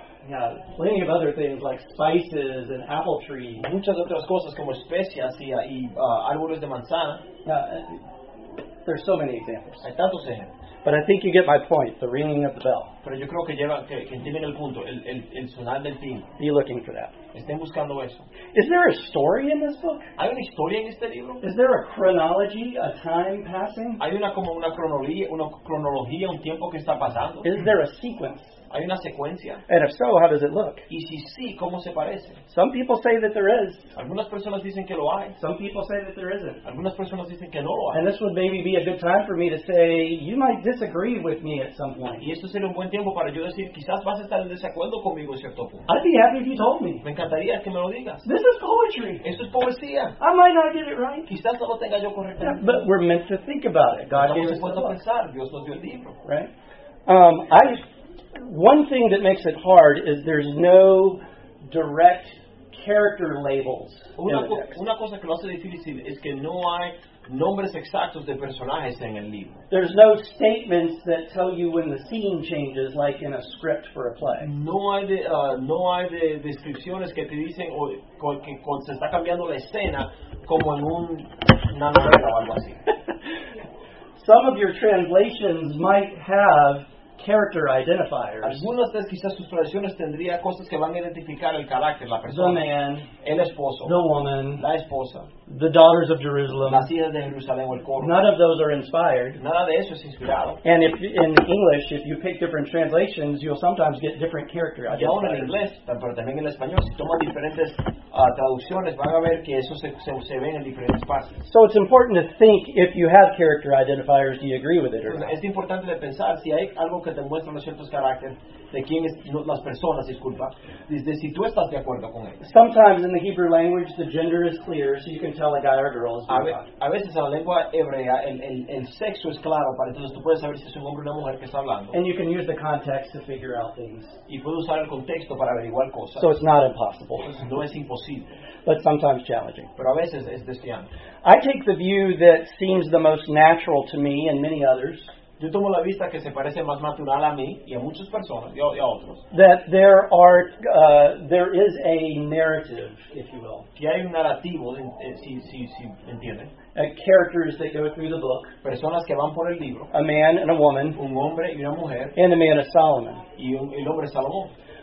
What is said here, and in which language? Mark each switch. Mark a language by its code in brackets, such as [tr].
[en] Yeah, plenty of other things like spices and apple trees. [es] Muchas otras cosas como especias y árboles de manzana. [en] There's so many examples. [es] Hay tantos ejemplos. [en] But I think you get my point, the ringing of the bell. [es] Pero yo creo que entienden el punto, el sonar del timbre. [en] Be looking for that. [es] Estén buscando eso. [en] Is there a story in this book? [es] ¿Hay una historia en este libro? [en] Is there a chronology, a time passing? [es] ¿Hay una cronología, un tiempo que está pasando? [en] Is there a sequence? [es] ¿Hay una secuencia? [en] And if so, how does it look? [es] ¿Y si sí, cómo se parece? [en] Some people say that there is. [es] Algunas personas dicen que lo hay. [en] Some people say that there isn't. [es] Algunas personas dicen que no lo hay. [en] And this would maybe be a good time for me to say, you might disagree with me at some point. [es] Y esto sería un buen tiempo para yo decir, quizás vas a estar en desacuerdo conmigo en cierto punto. [en] I'd be happy if you told me. [es] Me encantaría que me lo digas. [en] This is poetry. [es] Esto es poesía. [en] I might not get it right. [es] Quizás no lo tenga yo correctamente. [en] Yeah, but we're meant to think about it. God gave us the book. [es] Pensar. Dios nos dio el libro. [en] Right? One thing that makes it hard is there's no direct character labels. [es] Una cosa que lo hace difícil es que no hay nombres exactos de personajes en el libro. [en] There's no statements that tell you when the scene changes, like in a script for a play. [es] No hay de descripciones que te dicen que cuando se está cambiando la escena, como en una novela o algo así. [en] Some of your translations might have character identifiers. [es] Algunas de quizás sus tradiciones tendría cosas que van a identificar el carácter, la persona. [en] The man, [es] el esposo. [en] The woman, [es] la esposa. [en] The daughters of Jerusalem, [es] las hijas de Jerusalén o el coro. [en] None of those are inspired. [es] Nada de eso es inspirado. [en] And if in English, if you pick different translations, you'll sometimes get different character identifiers. [es] Y aún en inglés, pero también en español, si toma diferentes traducciones, van a ver que eso se ve en diferentes partes. [en] So it's important to think if you have character identifiers, do you agree with it or not? [es] Es importante de pensar si hay algo que te muestran los ciertos carácter de quién es no, las personas, disculpa, desde si tú estás de acuerdo con él. [en] Sometimes in the Hebrew language the gender is clear, so you can tell a guy or a girl is [es] a veces en la lengua hebrea el sexo es claro, para entonces tú puedes saber si es un hombre o una mujer que está hablando. [en] And you can use the context to figure out things. [es] Y puedes usar el contexto para averiguar cosas. [en] So it's not impossible. [es] No es imposible. [en] But sometimes challenging. [es] Pero a veces es desafiante. [en] I take the view that seems the most natural to me and many others. [es] Yo tomo la vista que se parece más natural a mí y a muchas personas y a otros. [en] That there are there is a narrative, if you will. [es] Que hay un narrativo, si entienden. [en] Characters that go through the book. [es] Personas que van por el libro. [en] A man and a woman. [es] Un hombre y una mujer. [en] And the man of Solomon. [es] Y el hombre Salomón.